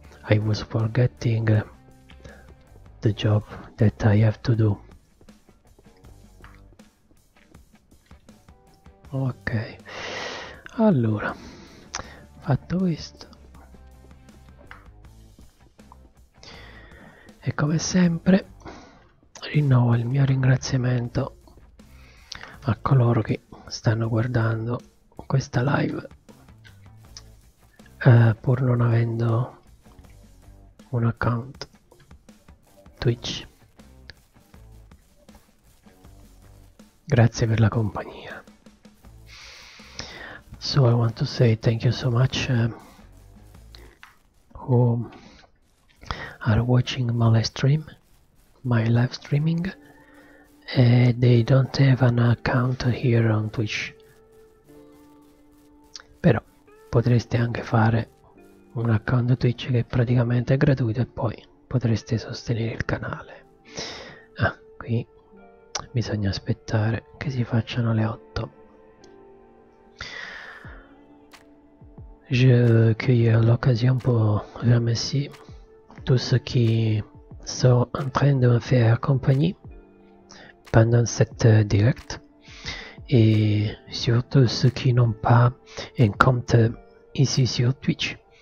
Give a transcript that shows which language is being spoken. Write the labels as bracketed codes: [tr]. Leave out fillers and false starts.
[en] I was forgetting the job that I have to do. [it] Ok, allora, fatto questo, e come sempre, rinnovo il mio ringraziamento a coloro che stanno guardando questa live, pur non avendo un account Twitch. Grazie per la compagnia. [en] So I want to say thank you so much who are watching my live streaming, and they don't have an account here on Twitch. [it] Potreste anche fare un account Twitch che praticamente è gratuito e poi potreste sostenere il canale. Ah, qui bisogna aspettare che si facciano le 8. [fr] Je cueille l'occasion pour remercier tous ceux qui sont en train de me faire compagnie pendant cette direct et surtout ceux qui n'ont pas un compte ici sur Twitch.